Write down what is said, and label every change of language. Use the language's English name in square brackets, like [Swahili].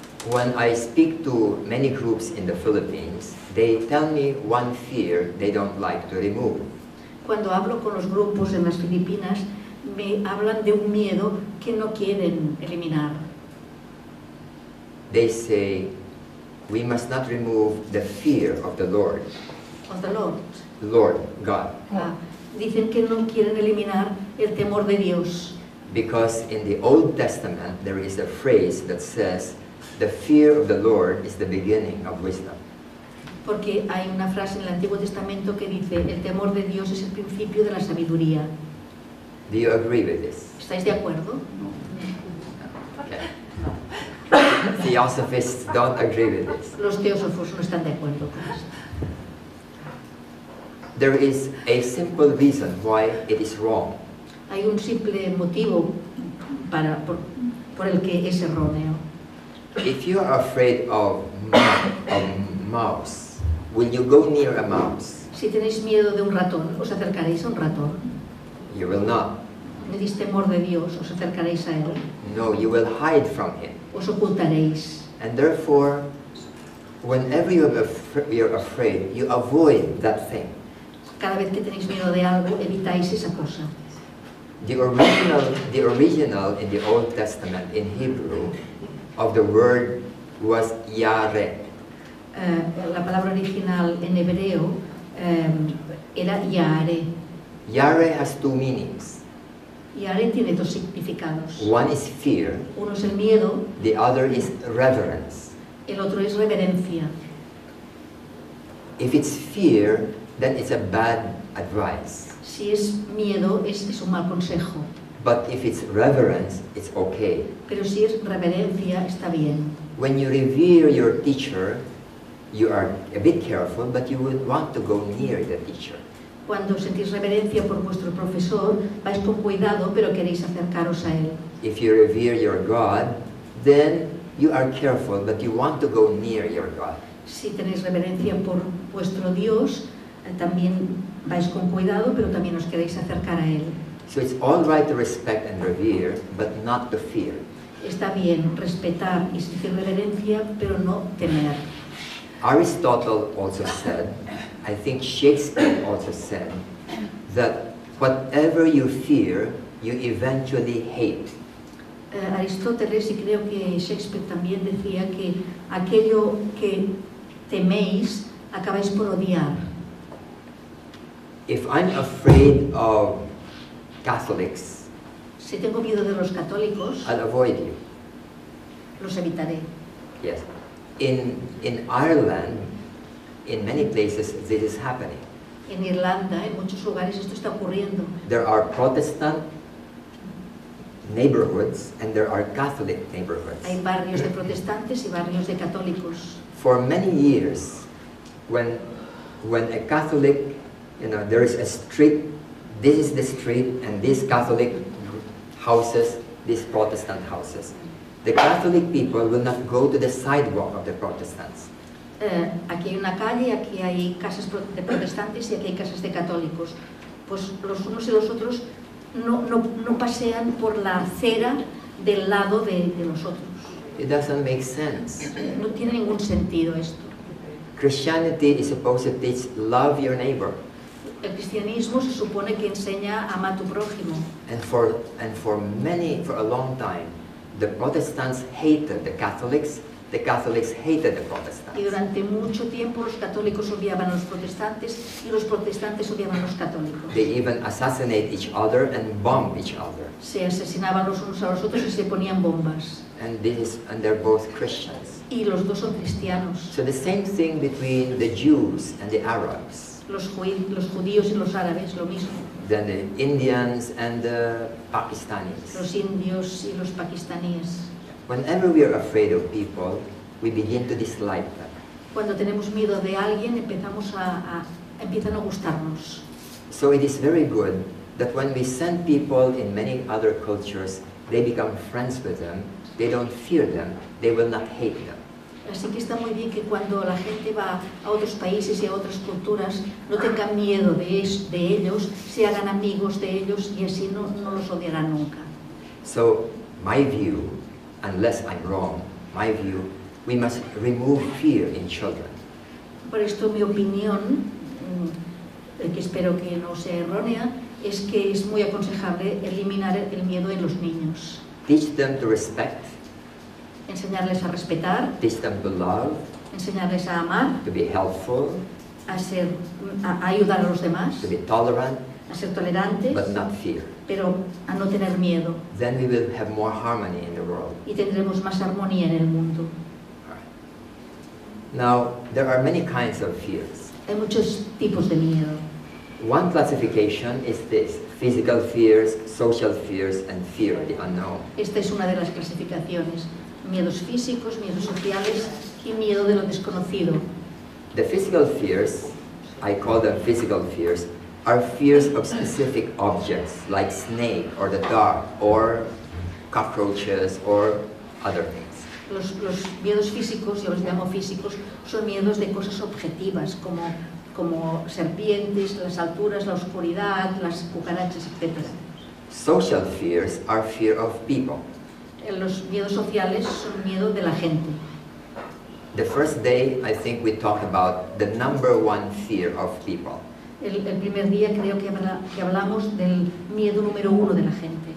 [English] When I speak to many groups in the Philippines, they tell me one fear they don't like to remove. [Spanish] Cuando hablo con los grupos en las Filipinas, me hablan de un miedo que no quieren eliminar. [English] They say, we must not remove the fear of the Lord. Of the Lord. Lord, God. [Spanish] Dicen que no quieren eliminar el temor de Dios. [English] Because in the Old Testament there is a phrase that says, the fear of the Lord is the beginning of wisdom. [Spanish] Porque hay una frase en el Antiguo Testamento que dice, el temor de Dios es el principio de la sabiduría. [English] Do you agree with this? [Spanish] ¿Estáis de acuerdo? [English] No. Okay. No. Theosophists don't agree with this. [Spanish] Los teósofos no están de acuerdo con esto. [English] There is a simple reason why it is wrong. [Spanish] Hay un simple motivo por el que es erróneo. [English] If you are afraid of mouse, will you go near a mouse? [Spanish] Si tenéis miedo de un ratón, ¿os acercaréis a un ratón? [English] You will not. [Spanish] ¿Tenéis temor de Dios, os acercaréis a él? [English] No, you will hide from him. [Spanish] Os ocultaréis. [English] And therefore, whenever you're afraid, you avoid that thing. [Spanish] Cada vez que tenéis miedo de algo, evitáis esa cosa. [English] The original in the Old Testament in Hebrew of the word was yare. [Spanish] La palabra original en hebreo era yare. [English] Yare has two meanings. [Spanish] Yare tiene dos significados. [English] One is fear. [Spanish] Uno es el miedo. [English] The other is reverence. [Spanish] El otro es reverencia. [English] If it's fear, then it's a bad advice. [Spanish] Si es miedo, es un mal consejo. [English] But if it's reverence, it's okay. [Spanish] Pero si es reverencia, está bien. [English] When you revere your teacher, you are a bit careful, but you would want to go near the teacher. [Spanish] Cuando sentís reverencia por vuestro profesor, vais con cuidado, pero queréis acercaros a él. [English] If you revere your God, then you are careful, but you want to go near your God. [Spanish] Si tenéis reverencia por vuestro Dios, también vais con cuidado, pero también os queréis acercar a él. [English] So it's all right to respect and revere, but not to fear. [Spanish] Está bien respetar y sentir reverencia, pero no temer. [English] Aristotle also said, I think Shakespeare also said, that whatever you fear, you eventually hate. [Spanish] Aristóteles, y creo que Shakespeare también decía que aquello que teméis, acabáis por odiar. [English] If I'm afraid of Catholics, [Spanish] si tengo miedo de los católicos, [English] I'll avoid you. [Spanish] Los evitaré. [English] Yes. In Ireland, in many places, this is happening. [Spanish] En Irlanda, en muchos lugares, esto está ocurriendo. [English] There are Protestant neighborhoods and there are Catholic neighborhoods. [Spanish] Hay barrios de protestantes y barrios de católicos. [English] For many years, when a Catholic, you know, there is a street, this is the street, and these Catholic houses, these Protestant houses. The Catholic people will not go to the sidewalk of the Protestants. [Spanish] Aquí hay una calle, aquí hay casas de protestantes y aquí hay casas de católicos. Pues los unos y los otros no pasean por la acera del lado de los otros. [English] It doesn't make sense. [Spanish] No tiene ningún sentido esto. [English] Christianity is supposed to teach love your neighbor. [Spanish] El cristianismo se supone que enseña a amar a tu prójimo. [English] And for a long time, the Protestants hated the Catholics hated the Protestants. [Spanish] Y durante mucho tiempo los católicos odiaban a los protestantes y los protestantes odiaban a los católicos. [English] They even assassinate each other and bomb each other. [Spanish] Se asesinaban los unos a los otros y se ponían bombas. [English] And they're both Christians. [Spanish] Y los dos son cristianos. [English] So the same thing between the Jews and the Arabs. [Spanish] Los judíos y los árabes, lo mismo. [English] Then the Indians and the Pakistanis. [Spanish] Los indios y los pakistaníes. [English] Whenever we are afraid of people, we begin to dislike them. [Spanish] Cuando tenemos miedo de alguien, empiezan a gustarnos. [English] So it is very good that when we send people in many other cultures, they become friends with them, they don't fear them, they will not hate them. [Spanish] Así que está muy bien que cuando la gente va a otros países y a otras culturas no tengan miedo de ellos, se hagan amigos de ellos y así no los odiarán nunca. [English] So, my view, unless I'm wrong, my view, we must remove fear in children. [Spanish] Por esto mi opinión, que espero que no sea errónea, es que es muy aconsejable eliminar el miedo en los niños. [English] Teach them to respect. [Spanish] Enseñarles a respetar. [English] Teach them to love. [Spanish] Enseñarles a amar. [English] To be helpful. [Spanish] A ayudar a los demás. [English] To be tolerant. [Spanish] A ser tolerantes. [English] But not fear. [Spanish] Pero a no tener miedo. [English] Then we will have more harmony in the world. [Spanish] Y tendremos más armonía en el mundo. [English] Now, there are many kinds of fears. [Spanish] Hay muchos tipos de miedo. [English] One classification is this: physical fears, social fears, and fear of the unknown. [Spanish] Esta es una de las clasificaciones. Miedos físicos, miedos sociales y miedo de lo desconocido. [English] The physical fears, I call them physical fears, are fears of specific objects like snake or the dark or cockroaches or other things. [Spanish] Los miedos físicos, yo los llamo físicos, son miedos de cosas objetivas como serpientes, las alturas, la oscuridad, las cucarachas, etc. [English] Social fears are fear of people. [Spanish] Los miedos sociales son miedo de la gente. [English] The first day, I think we talked about the number one fear of people. [Spanish] El primer día creo que hablamos del miedo número uno de la gente.